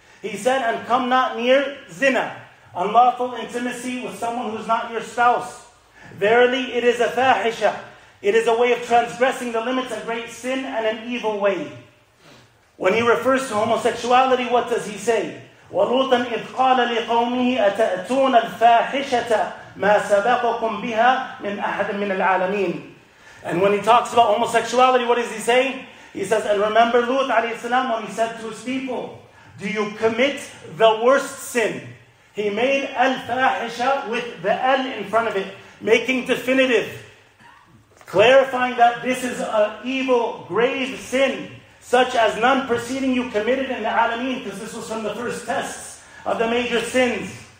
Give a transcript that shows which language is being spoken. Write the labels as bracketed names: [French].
[English] He said, and come not near zina, unlawful intimacy with someone who is not your spouse. Verily, it is a fahisha. It is a way of transgressing the limits of great sin and an evil way. When he refers to homosexuality, what does he say? [Arabic] وَلُوطًا إِذْ قَالَ لِقَوْمِهِ أَتَأْتُونَ الْفَاحِشَةَ مَا سَبَقَكُمْ بِهَا مِنْ أَحَدٍ مِنَ الْعَالَمِينَ. [English] And when he talks about homosexuality, what does he say? He says, and remember Lut alayhi salam when he said to his people, do you commit the worst sin? He made al-fahisha with the al in front of it, making definitive, clarifying that this is an evil, grave sin, such as none preceding you committed in the alameen, because this was from the first tests of the major sins.